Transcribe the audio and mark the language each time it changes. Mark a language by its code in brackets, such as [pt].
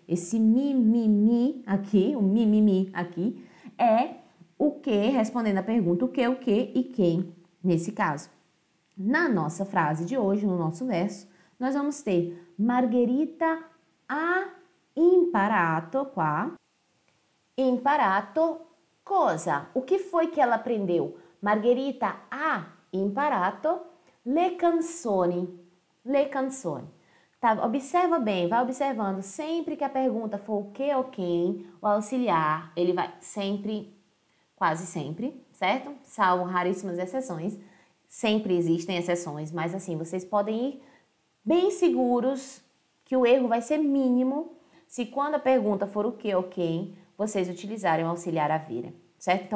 [pt] Esse mi aqui, o mi aqui, é o que, respondendo a pergunta o que e quem, nesse caso. Na nossa frase de hoje, no nosso verso, nós vamos ter Margherita [it] ha imparato qua. Imparato cosa? [pt] O que foi que ela aprendeu? [it] Margherita ha imparato le canzoni. Le canzoni. [pt] Tá, observa bem, vai observando. Sempre que a pergunta for o que ou quem, o auxiliar, ele vai sempre, quase sempre, certo? Salvo raríssimas exceções. Sempre existem exceções, mas assim, vocês podem ir bem seguros que o erro vai ser mínimo se quando a pergunta for o que ou quem, vocês utilizarem o auxiliar avere, certo?